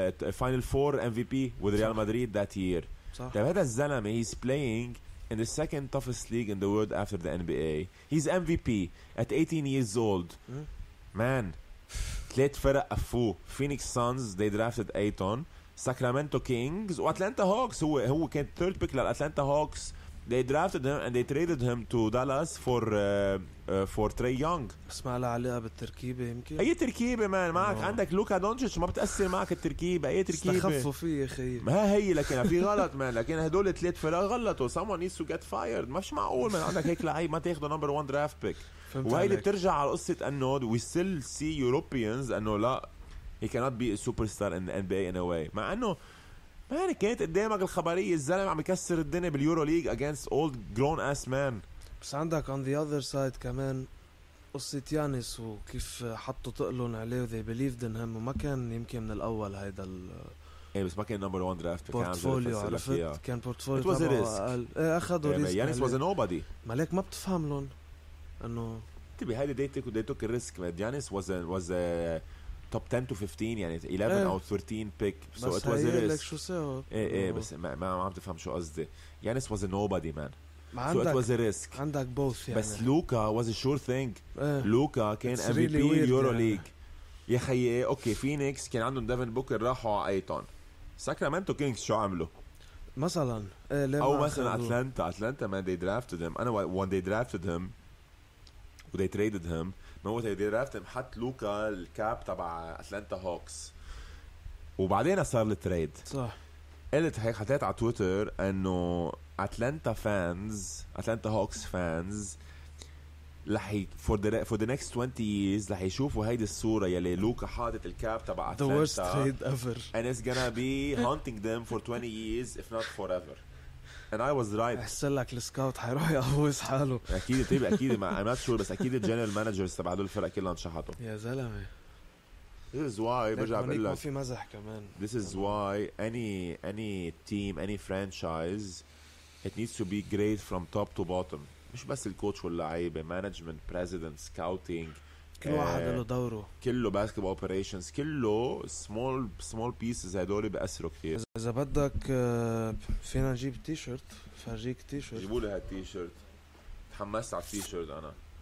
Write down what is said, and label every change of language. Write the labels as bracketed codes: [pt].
[en] final four MVP with Real Madrid that year. [ar] طيب هذا الزلمة [en] he's playing in the second toughest league in the world after the NBA. He's MVP at 18 years old. Man [ar] ثلاث فرق قفوا، فينيكس سانز دي درافتد ايتون، ساكرامنتو كينجز واتلانتا هوكس. هو كان ثيرد بيك للاتلانتا هوكس، [en] they drafted him and they traded him to Dallas for for Trae Young. [ar] بس ما له علاقة بالتركيبة يمكن. أي تركيبة مان معك أوه. عندك لوكا دونتش ما بتأثر معك التركيبة. أي تركيبة استخفوا فيه يا خي. ما هي لكن في غلط مان، لكن هدول تلات فرق غلطوا. [en] Someone needs to get fired. [ar] مش معقول مان عندك هيك لعيب ما تاخده number one draft pick. وهيدي بترجع على قصة أنه [en] we still see Europeans [ar] أنه لا [en] he cannot be a superstar in the NBA in a way. [ar] مع أنه مان كانت قدامك الخبرية الزلم عم يكسر الدنيا باليورو ليج [en] against old grown ass man. [ar] بس عندك [en] on the other side [ar] كمان قصة يانس وكيف حطوا تقلون عليه [en] they believed in him، [ar] وما كان يمكن من الأول هيدا ال ايه بس ما كان number one draft portfolio، عرفت كان portfolio [en] it was a risk. [ar] ايه أخدوا risk [en] Giannis was a nobody. [ar] مالك ما بتفهم لون انه تبي هيدا [en] they took the risk. Giannis was a top 10 to 15 [ar] يعني 11 او 13 [en] pick. So it was a risk. [ar] شو سوى؟ ايه بس ما عم تفهم شو قصدي. [en] Giannis was a nobody man. So it was a risk. [ar] عندك both يعني. [en] بس Luka was a sure thing. [ar] لوكا كان MVP يورو ليج. يا خيي اوكي فينيكس كان عندهم ديفن بوكر راحوا على ايتون. ساكرامنتو كينجز شو عملوا؟ مثلا او مثلا اتلانتا، اتلانتا man [en] they drafted him. انا when they drafted him they traded him. [ar] ما هو تي درافت حط لوكا الكاب تبع اتلانتا هوكس وبعدين صار التريد صح. قلت هيك حطيت على تويتر انه اتلانتا فانز، اتلانتا هوكس فانز رح [en] for the next 20 years [ar] رح يشوفوا هيدي الصوره يلي لوكا حاطط الكاب تبع اتلانتا. [en] The worst trade ever. And it's gonna be haunting them for 20 years if not forever. And I was right. [ar] أحسن لك السكاوت حيروح يقوز حاله. أكيد طيب أكيد ما [en] I'm not sure [ar] بس أكيد الجنرال مانجرز تبع هدول الفرق كلهم شحطوا. يا زلمة. [en] This is why [ar] برجع بقول لك. ما في مزح كمان. [en] This is why any team any franchise it needs to be great from top to bottom. [ar] مش بس الكوتش واللعيبة، management president scouting. كل واحد له دوره. كله [en] basketball operations [ar] كله [en] small pieces [ar] هدول بأسره كتير. إذا بدك فينا نجيب تي شيرت فرجيك تي شيرت. جيبوا لي هالتي شيرت. تحمست على التي شيرت أنا.